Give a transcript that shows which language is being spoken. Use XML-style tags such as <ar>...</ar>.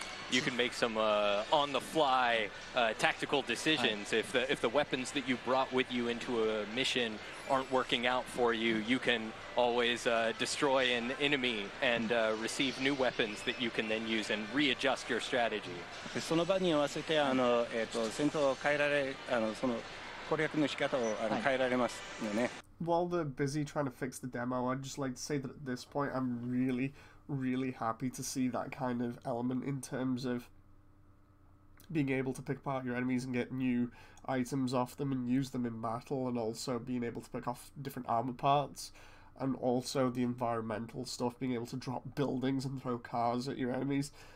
<en>You can make some on-the-fly tactical decisions. If the weapons that you brought with you into a mission aren't working out for you, you can always destroy an enemy and receive new weapons that you can then use and readjust your strategy.</en> <ja>その場に合わせて戦闘を変えられ、攻略の仕方を変えられますよね。</ja> <en>while they're busy trying to fix the demo, I'd just like to say that at this point, I'm really, really happy to see that kind of element in terms of being able to pick apart your enemies and get new items off them and use them in battle, and also being able to pick off different armor parts, and also the environmental stuff, being able to drop buildings and throw cars at your enemies.</en>